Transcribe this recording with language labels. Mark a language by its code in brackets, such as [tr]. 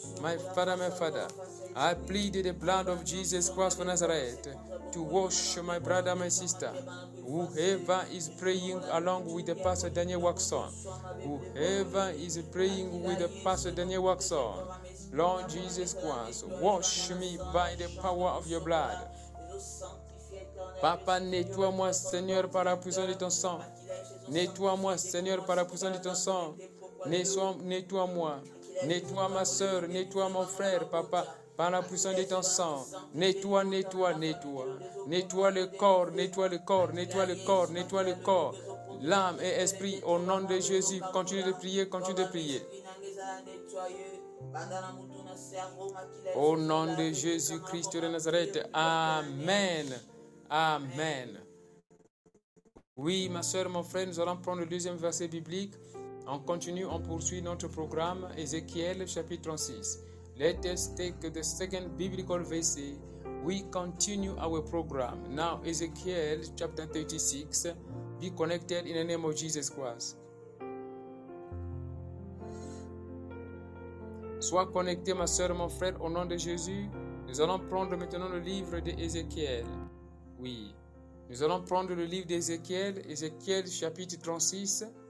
[en] My Father, I plead the blood of Jesus Christ for Nazareth to wash my brother, my sister. Whoever is praying along with the Pastor Daniel Waxon. Whoever is praying with the Pastor Daniel Waxon. Lord Jesus Christ, wash me by the power of your blood. [fr] Papa, nettoie-moi, Seigneur, par la puissance de ton sang. Nettoie-moi, Seigneur, par la puissance de ton sang. Nettoie-moi. Nettoie ma soeur, nettoie mon frère, Papa, par la puissance de ton sang. Nettoie, nettoie, nettoie. Nettoie le corps, nettoie le corps, nettoie le corps, nettoie le corps. L'âme et esprit, au nom de Jésus, continue de prier, continue de prier. Au nom de Jésus-Christ de Nazareth, amen. Amen. Oui, ma soeur, mon frère, nous allons prendre le deuxième verset biblique. On continue, on poursuit notre programme, Ézéchiel chapitre 36. [en] Let us take the second biblical verset. We continue our program. [fr] Now, Ézéchiel chapitre 36. [en] Be connected in the name of Jesus Christ. [fr] Sois connecté, ma soeur, mon frère, au nom de Jésus. Nous allons prendre maintenant le livre d'Ézéchiel. Oui, nous allons prendre le livre d'Ézéchiel, Ézéchiel chapitre 36.